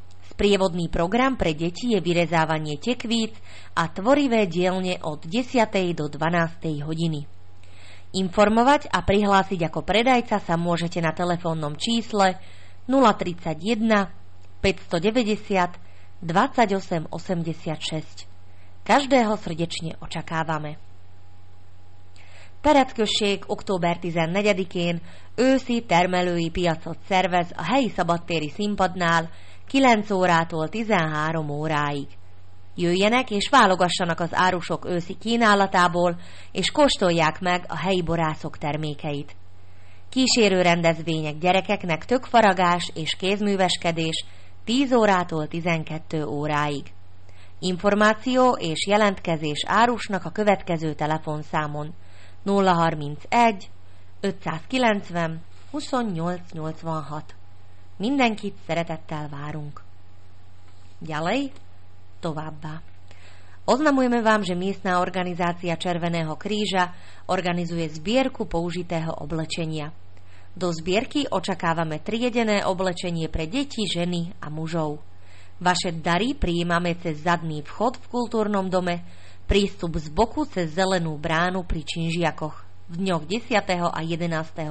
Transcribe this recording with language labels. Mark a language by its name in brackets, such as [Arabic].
[Slovak] Sprievodný program pre deti je vyrezávanie tekvíc a tvorivé dielne od 10. do 12. hodiny. Informovať a prihlásiť ako predajca sa môžete na telefónnom čísle 031 590 28 86. Každého srdečne očakávame. [Hungarian] Terepkösség október 14-én őszi termelői piacot szervez a helyi szabadtéri színpadnál 9 órától 13 óráig. Jöjjenek és válogassanak az árusok őszi kínálatából, és kóstolják meg a helyi borászok termékeit. Kísérő rendezvények gyerekeknek tökfaragás és kézműveskedés 10 órától 12 óráig. Információ és jelentkezés árusnak a következő telefonszámon 031 590 28 86. Mindenkit szeretettel várunk. [Slovak] Ďalej? [Hungarian] Továbbá. [Slovak] Oznamujeme vám, že miestna organizácia Červeného kríža organizuje zbierku použitého oblečenia. Do zbierky očakávame triedené oblečenie pre deti, ženy a mužov. Vaše dary prijímame cez zadný vchod v kultúrnom dome, prístup z boku cez zelenú bránu pri činžiakoch v dňoch 10. a 11.